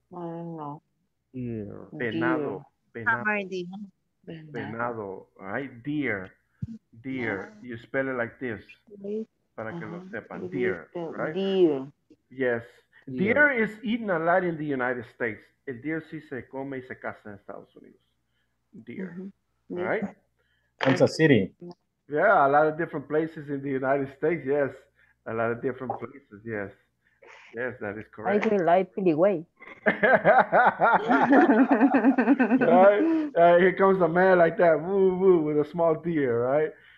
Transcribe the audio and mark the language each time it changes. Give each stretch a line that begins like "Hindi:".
Spanish: Venado.
English: Venado. Right? Deer. Deer. Yeah. You spell it like this.
Spanish: Para que lo sepan.
English: Deer. Right? Deer. Yes. Deer. Deer is eaten a lot in the United States.
Spanish: El deer sí se come y se casa en Estados Unidos.
English: Deer. Mm-hmm. Right? Kansas City. Yeah, a lot of different places in the United States. Yes. A lot of different places, yes. Yes, that is correct. I feel like pretty way. Right? Here comes a man like that, woo woo, with a small deer, right?